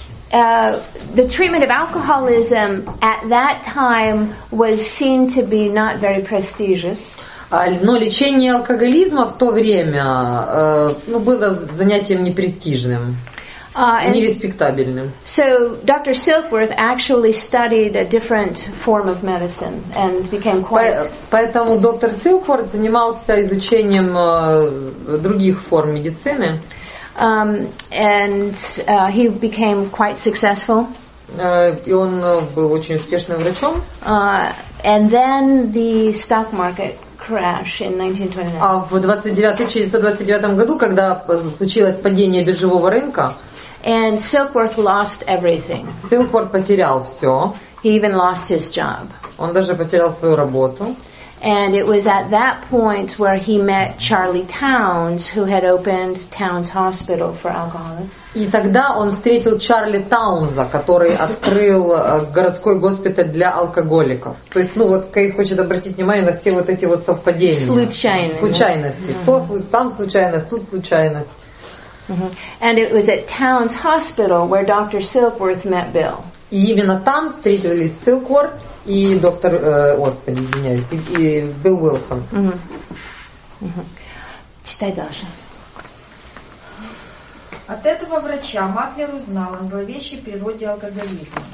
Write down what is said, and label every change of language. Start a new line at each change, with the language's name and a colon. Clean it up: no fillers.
English: The treatment of alcoholism at that time was seen to be not very prestigious.
Russian: Но лечение алкоголизма в то время было занятием непрестижным, нереспектабельным.
English: So Dr. Silkworth actually studied a different form of medicine and became quite.
Russian: Поэтому доктор Силкворт занимался изучением других форм медицины.
English: He became quite successful.
Russian: И он был очень успешным врачом.
English: And then the stock market crash in 1929.
Russian: А в 1929 году, когда случилось падение биржевого рынка,
English: and Silkworth lost everything.
Russian: Silkworth потерял все.
English: He even lost his job.
Russian: Он даже потерял свою работу.
English: And it was at that point where he met Charlie Towns, who had opened Towns Hospital for Alcoholics.
Russian: И тогда он встретил Чарли Таунза, который открыл городской госпиталь для алкоголиков. То есть, Кей хочет обратить внимание на все вот эти вот совпадения. Случайности. Там случайность, тут случайность.
English: And it was at Towns Hospital where Dr. Silkworth met Bill.
Russian: И именно там встретились Силкворт и доктор, и Билл Уилсон. Читай дальше. От этого врача Маклер узнал о зловещей природе алкоголизма.